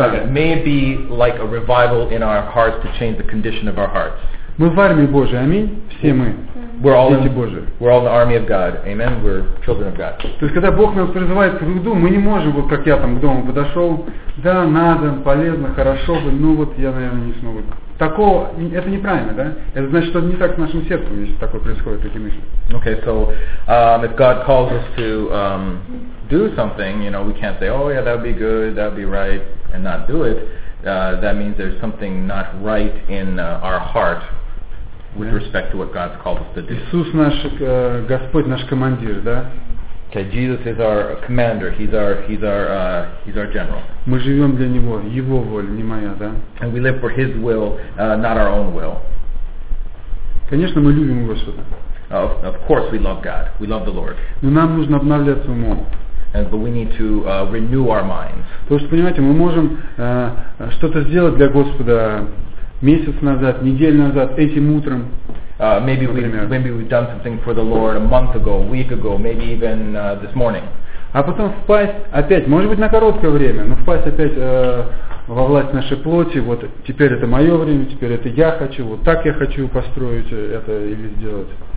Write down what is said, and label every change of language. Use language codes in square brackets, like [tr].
[en] May it be like a revival in our hearts to change the condition of our hearts. [ru] Мы в армии Божьей, аминь? Все мы. [en] We're all [ru] дети [en] in, [ru] Божьи. [en] We're all in the army of God. Amen. We're children of God. [ru] То есть, когда Бог нас призывает к труду, мы не можем, вот как я там к дому подошел, да, надо, полезно, хорошо бы, ну вот я, наверное, не смогу. Такого, это неправильно, да? Это значит, что не так с нашим сердцем, если такое происходит, такие мысли. [en] Okay, so if God calls us to do something, you know, we can't say, oh yeah, that would be good, that would be right, and not do it. That means there's something not right in our heart with respect to what God's called us to do. [ru] Иисус наш Господь, наш командир, да? [en] Okay, Jesus is our commander. He's our general. [ru] Мы живем для него, его воля, не моя, да? [en] And we live for His will, not our own will. [ru] Конечно, мы любим Господа. [en] Of course, we love God. We love the Lord. [ru] Но нам нужно обновлять ум. [en] But we need to renew our minds. [ru] Потому что, понимаете, мы можем что-то сделать для Господа месяц назад, неделю назад, этим утром. [en] Maybe we've done something for the Lord a month ago, a week ago, maybe even this morning. [ru] А потом впасть опять, может быть, на короткое время, но впасть опять во власть нашей плоти. Вот теперь это мое время, теперь это я хочу, вот так я хочу построить это или сделать.